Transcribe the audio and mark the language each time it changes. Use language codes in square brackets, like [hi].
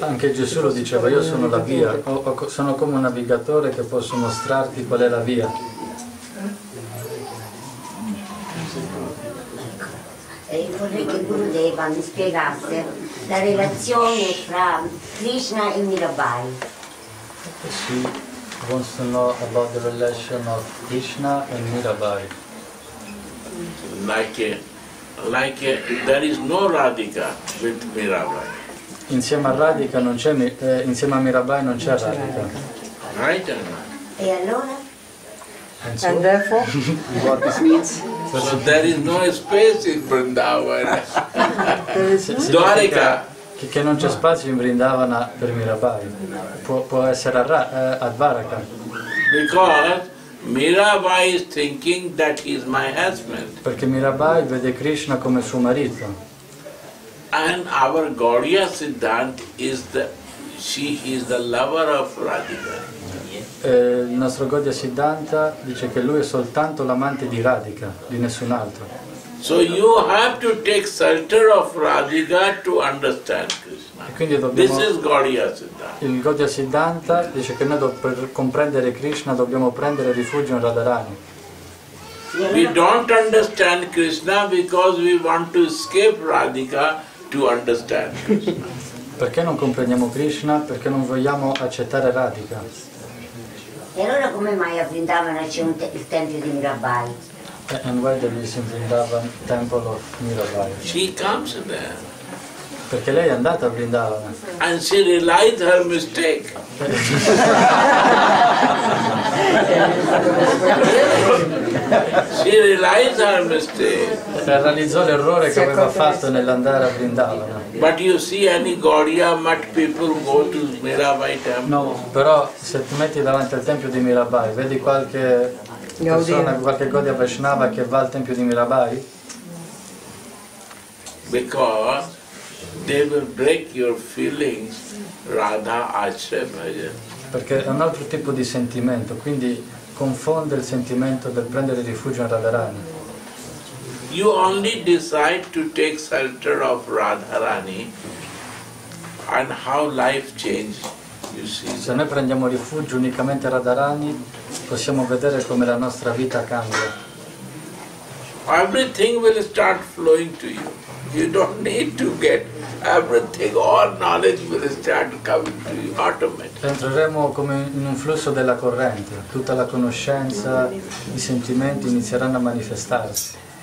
[it] Anche Gesù lo diceva, io sono la via. Sono come un navigatore che posso mostrarti qual è la via. Vorrei che Gurudeva mi spiegasse la relazione fra Krishna e Mirabai. [en] She wants to know about the relation of Krishna and Mirabai. Like there is no Radhika with Mirabai. [it] Insieme a Radhika non c'è, insieme a Mirabai non c'è Radhika. [en] Right or not? [it] E allora? [en] And therefore, what this means? So there is no space in Vrindavan. Dwarika. [it] Che non c'è spazio in Vrindavana per Mirabai. Può essere a Dwarika. [en] Because Mirabai is thinking that he is my husband. [it] Perché Mirabai vede Krishna come suo marito. [en] And our Gaudiya Siddhant is the she is the lover of Radhika. [it] Il nostro Gaudiya Siddhanta dice che lui è soltanto l'amante di Radhika, di nessun altro. [en] So you have to take shelter of Radhika to understand Krishna. [it] E quindi [en] this is Gaudiya Siddhanta. [it] Il Gaudiya Siddhanta dice che noi per comprendere Krishna dobbiamo prendere rifugio in Radharani. [en] We don't understand Krishna because we want to escape Radhika to understand Krishna. [it] Perché non comprendiamo Krishna? Perché non vogliamo accettare Radhika. E allora come mai a Vrindavana c'è il tempio di Mirabai? [en] And why there is in Vrindavan temple of Mirabai? She comes there. [it] Perché lei è andata a Vrindavana. [en] And she realized her mistake. She realized her mistake. [it] Realizzò l'errore che aveva fatto nell'andare a Vrindavana. [en] But you see any Gaudiya mat people go to Mirabai temple? [it] No, però se ti metti davanti al tempio di Mirabai, vedi qualche persona, qualche Gaudiya Vaishnava che va al tempio di Mirabai? [en] Because they will break your feelings, Radha Acharya. [it] Perché è un altro tipo di sentimento, quindi confonde il sentimento del prendere rifugio in Radharani. [en] You only decide to take shelter of Radharani, and how life changes. You see. [it] Se noi prendiamo rifugio unicamente a Radharani, possiamo vedere come la nostra vita cambia. [en] Everything will start flowing to you. You don't need to get everything. All knowledge will start coming to you automatically. [it] Entreremo come in un flusso della corrente. Tutta la conoscenza, i sentimenti inizieranno a manifestarsi.